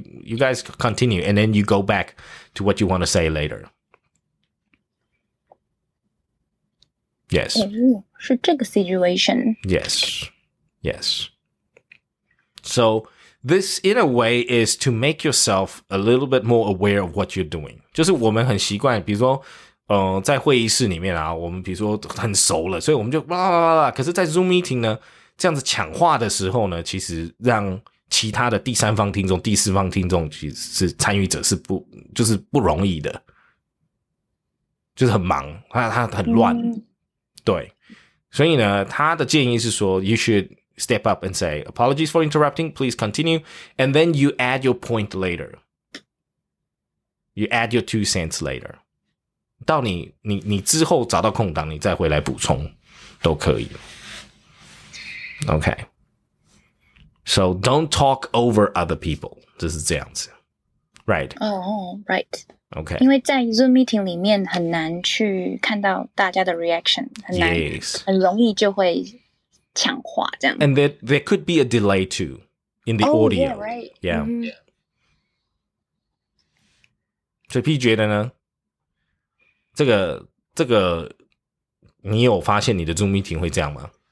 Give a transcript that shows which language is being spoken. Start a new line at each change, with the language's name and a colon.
English: You guys continue, and then you go back to what you want to say later. Yes. Oh, is this situation? Yes. Yes. So this, in a way, is to make yourself a little bit more aware of what you're doing.
Chinese: 就是我们很习惯，比如说在会议室里面啊，我们比如说很熟了，所以我们就啦啦啦啦。可是在 Zoom meeting 呢，这样子抢话的时候呢，其实让其他的第三方听众、第四方听众其实是参与者是不，就是不容易的，就是很忙，他很乱、嗯。对，所以呢，他的建议是说
English: ，you should step up and say apologies for interrupting, please continue, and then you add your point later. You add your two cents later.
Chinese: 到你之后找到空档，你再回来补充都可以。
English: Okay, so don't talk over other people.
Chinese: 就是这样子 ，
English: right? Oh, right. Okay.
Chinese: 因为在 Zoom meeting 里面很难去看到大家的 reaction， 很难，
English: yes.
Chinese: 很容易就会抢话这样。
English: And there could be a delay too in the audio. Yeah, right. Yeah.、Mm-hmm.
Chinese: 所以 P 觉得呢，这个，你有发现你的 Zoom meeting 会这样吗？